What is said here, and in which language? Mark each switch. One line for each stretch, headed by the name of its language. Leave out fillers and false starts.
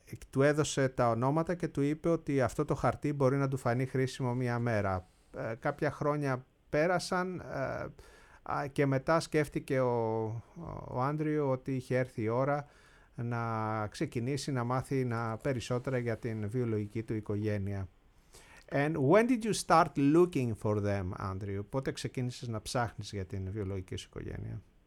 Greek: Του έδωσε τα ονόματα και του είπε ότι αυτό το χαρτί μπορεί να του φανεί χρήσιμο μία μέρα. Κάποια χρόνια πέρασαν και μετά σκέφτηκε ο Άντριου ότι είχε έρθει η ώρα να ξεκινήσει να μάθει περισσότερα για την βιολογική του οικογένεια.
English: And when did you start looking for them, Andrew?
Greek: Πότε ξεκίνησες να ψάχνεις για την βιολογική σου οικογένεια?